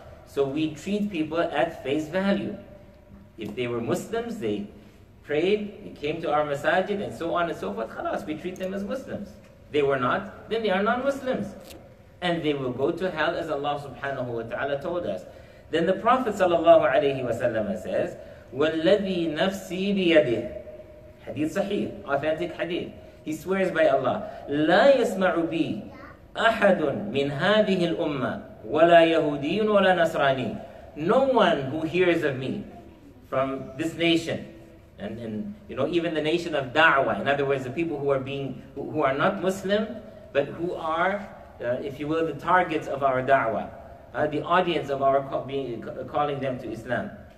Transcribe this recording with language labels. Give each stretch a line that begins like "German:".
English: So we treat people at face value. If they were Muslims, they prayed, they came to our masajid, and so on and so forth. Khalas, we treat them as Muslims. They were not, then they are non-Muslims. And they will go to hell as Allah subhanahu wa ta'ala told us. Then the Prophet sallallahu alayhi wa sallam says,
Arabic: وَالَّذِي نَفْسِي بِيَدِهِ.
English: Hadith sahih, authentic hadith. He swears by Allah,
Arabic: لَا يَسْمَعُ بِي أَحَدٌ مِنْ هَذِهِ الْأُمَّةِ وَلَا يَهُودِيٌ وَلَا نَصْرَانِيٌ.
English: No one who hears of me from this nation, and you know, even the nation of da'wah, in other words, the people who are not Muslim, but who are, if you will, the targets of our da'wah, the audience of our calling them to Islam.